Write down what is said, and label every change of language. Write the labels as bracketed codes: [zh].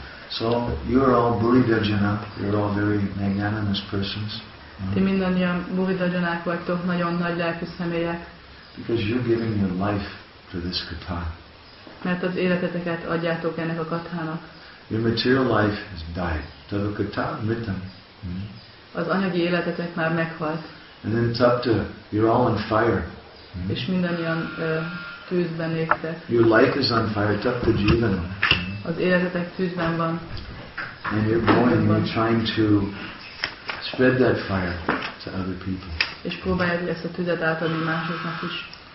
[en] So you are all Buridajana, you are all very magnanimous persons. Mm-hmm. Because you're giving your life to this katha. [hu] Mert az életeteket adjátok ennek a kathának. [en] Your material life has died. [sa] Tava katha mritam. [en] Mm-hmm. [hu] Az anyagi életetek már meghalt. [en] And then tapta, you're all on fire. Mm-hmm. [hu] És mindannyian tűzben néztek. [en] Your life is on fire, tapta jivana. [hu] Az életetek tűzben van. [en] And you're going, you're trying to spread that fire to other people. [hu] És próbáljad ezt a tüzet átadni másoknak is.